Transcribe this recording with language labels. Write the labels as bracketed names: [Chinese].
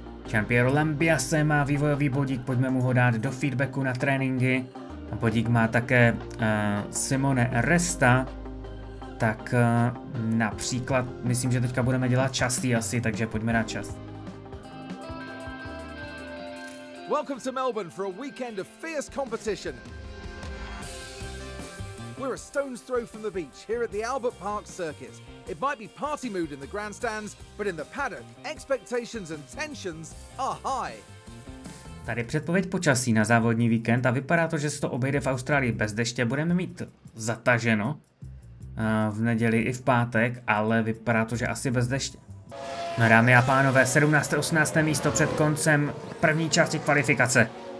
[Czech] Champion Lambia se má vývojový bodík, pojďme mu ho dát do feedbacku na tréninky. Bodík má také Simone Resta, tak například, myslím, že teďka budeme dělat častý asi, takže pojďme na čas. [English] Welcome to Melbourne for a weekend of fierce competition. We're a stone's throw from the beach here at the Albert Park Circuit. It might be party mood in the grandstands, but in the paddock, expectations and tensions are high. [Czech] Tady předpověď počasí na závodní víkend a vypadá to, že se to obejde v Austrálii bez deště. Budeme mít zataženo v neděli i v pátek, ale vypadá to, že asi bez deště. No dámy a pánové, 17. 18. místo před koncem první části kvalifikace.